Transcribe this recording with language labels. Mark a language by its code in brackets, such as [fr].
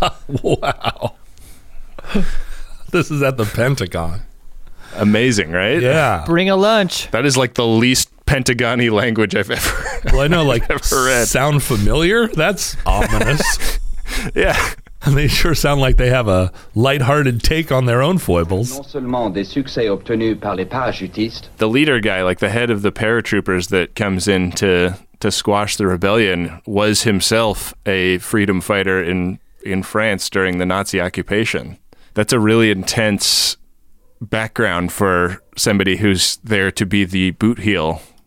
[en] Wow. This is at the Pentagon. Amazing, right? Yeah. Bring a lunch. That is like the least Pentagon-y language I've ever read. Well, I know, like, sound familiar? That's ominous. Yeah. And they sure sound like they have a lighthearted take on their own foibles. [fr] Non seulement des succès obtenus par les parachutistes. [en] The leader guy, like the head of the paratroopers that comes in to squash the rebellion, was himself a freedom fighter in France during the Nazi occupation. That's a really intense background for somebody who's there to be the boot heel.